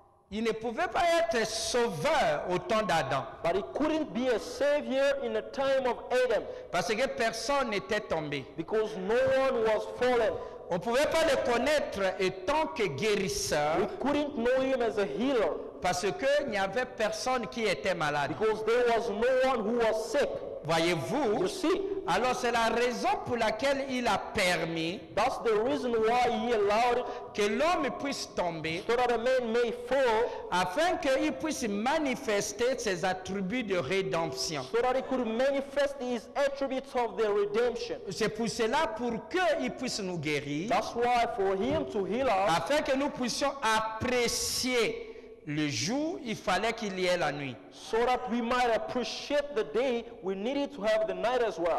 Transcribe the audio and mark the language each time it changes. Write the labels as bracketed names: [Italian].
[French] il ne pouvait pas être sauveur au temps d'Adam. [English] But he couldn't be a savior in the time of Adam. [French] Parce que personne n'était tombé. [English] Because no one was fallen. [French] On ne pouvait pas le connaître en tant que guérisseur. [English] We couldn't know him as a healer. [French] Parce qu'il n'y avait personne qui était malade. [English] Because there was no one who was sick. [French] Voyez-vous, [English] you see, [French] alors c'est la raison pour laquelle il a permis, [English] that's the reason why he allowed it, [French] que l'homme puisse tomber, [English] so that a man may fall, [French] afin qu'il puisse manifester ses attributs de rédemption. [English] So that he could manifest his attributes of the redemption. [French] C'est pour cela, pour qu'il puisse nous guérir, [English] that's why for him to heal us, [French] afin que nous puissions apprécier le jour, il fallait qu'il y ait la nuit. [English] So that we might appreciate the day, we needed to have the night as well.